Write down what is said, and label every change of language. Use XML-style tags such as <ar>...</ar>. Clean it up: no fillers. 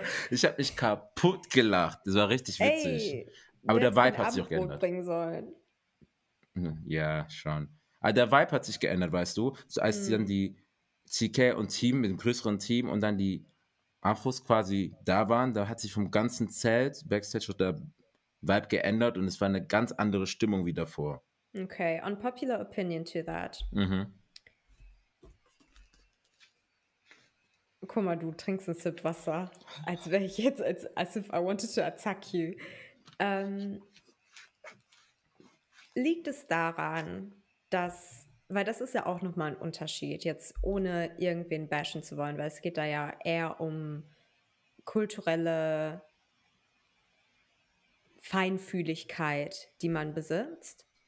<de>Ich habe mich kaputt gelacht, das war richtig witzig. Hey, aber der Vibe hat sich auch geändert. Bringen sollen. Ja, schon. Aber der Vibe hat sich geändert, weißt du? So als dann die CK und Team, mit dem größeren Team und dann die Afros quasi da waren, da hat sich vom ganzen Zelt, Backstage, der Vibe geändert und es war eine ganz andere Stimmung wie davor.</de> <en>Okay, unpopular opinion to that.</en> <de>Guck mal, du trinkst einen Sip Wasser, als wäre ich jetzt, als</de> <en>if I wanted to attack you.</en> <de>Liegt es daran, dass, weil das ist ja auch nochmal ein Unterschied, jetzt ohne irgendwen bashen zu wollen, weil es geht da ja eher um kulturelle Feinfühligkeit, die man besitzt.</de>